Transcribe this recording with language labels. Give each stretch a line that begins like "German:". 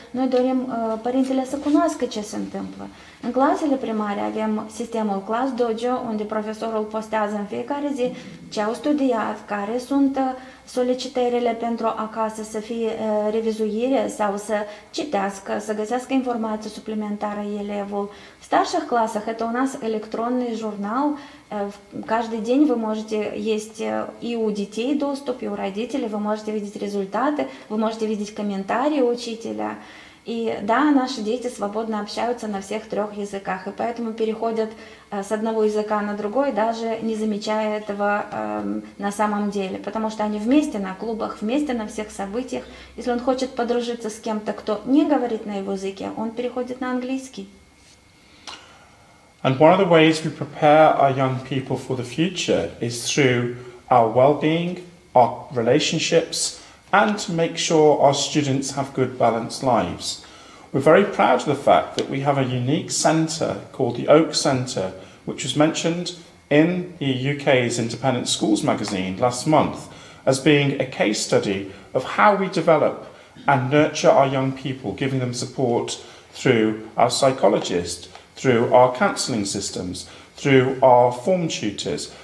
Romanian: Noi dorim părintele să cunoască ce se întâmplă. În clasele primare avem sistemul Class Dojo, unde profesorul postează în fiecare zi ce au studiat, care sunt solicitările pentru acasă să fie revizuire sau să citească, să găsească informație suplimentară elevul.
Russian: В старших классах это у нас электронный журнал. Каждый день вы можете есть и у детей доступ, и у родителей. Вы можете видеть результаты, вы можете видеть комментарии учителя. И да, наши дети свободно общаются на всех трех языках, и поэтому переходят с одного языка на другой, даже не замечая этого на самом деле, потому что они вместе на клубах, вместе на всех событиях. Если он хочет подружиться с кем-то, кто не говорит на его языке, он переходит на английский.
English: And one of the ways we prepare our young people for the future is through our well-being, our relationships, and to make sure our students have good, balanced lives. We're very proud of the fact that we have a unique centre called the Oak Centre, which was mentioned in the UK's Independent Schools magazine last month as being a case study of how we develop and nurture our young people, giving them support through our psychologist, through our counselling systems, through our form tutors.